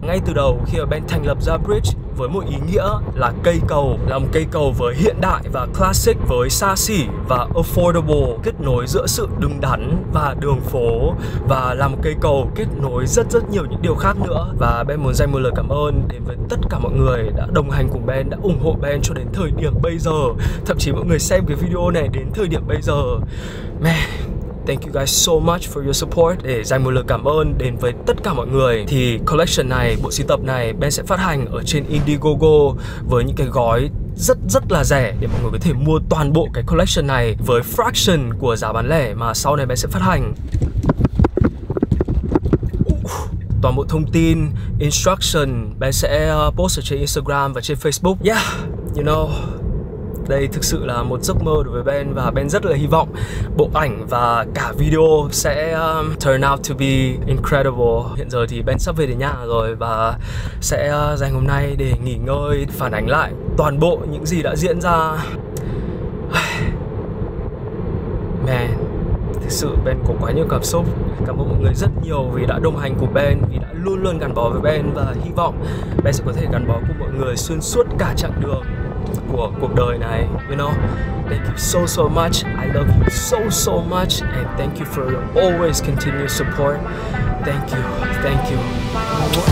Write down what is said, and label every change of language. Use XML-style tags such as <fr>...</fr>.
<vi>Ngay từ đầu khi mà Ben thành lập ra Bridge với một ý nghĩa là cây cầu, là một cây cầu với hiện đại và classic, với xa xỉ và affordable, kết nối giữa sự đứng đắn và đường phố, và là một cây cầu kết nối rất rất nhiều những điều khác nữa. Và Ben muốn dành một lời cảm ơn đến với tất cả mọi người đã đồng hành cùng Ben, đã ủng hộ Ben cho đến thời điểm bây giờ, thậm chí mọi người xem cái video này đến thời điểm bây giờ.</vi> <en>Man, thank you guys so much for your support.</en> <vi>Để dành một lời cảm ơn đến với tất cả mọi người thì collection này, bộ sưu tập này, Ben sẽ phát hành ở trên Indiegogo với những cái gói rất rất là rẻ để mọi người có thể mua toàn bộ cái collection này với fraction của giá bán lẻ mà sau này Ben sẽ phát hành. Toàn bộ thông tin, instruction Ben sẽ post ở trên Instagram và trên Facebook. Yeah, you know, đây thực sự là một giấc mơ đối với Ben, và Ben rất là hy vọng bộ ảnh và cả video sẽ</vi> <en>turn out to be incredible.</en> <vi>Hiện giờ thì Ben sắp về đến nhà rồi và sẽ dành hôm nay để nghỉ ngơi, phản ánh lại toàn bộ những gì đã diễn ra. Man, thực sự Ben có quá nhiều cảm xúc. Cảm ơn mọi người rất nhiều vì đã đồng hành cùng Ben, vì đã luôn luôn gắn bó với Ben, và hy vọng Ben sẽ có thể gắn bó cùng mọi người xuyên suốt cả chặng đường của cuộc đời này.</vi> <en>You know, thank you so so much. I love you so so much, and thank you for your always continued support. Thank you, thank you.</en>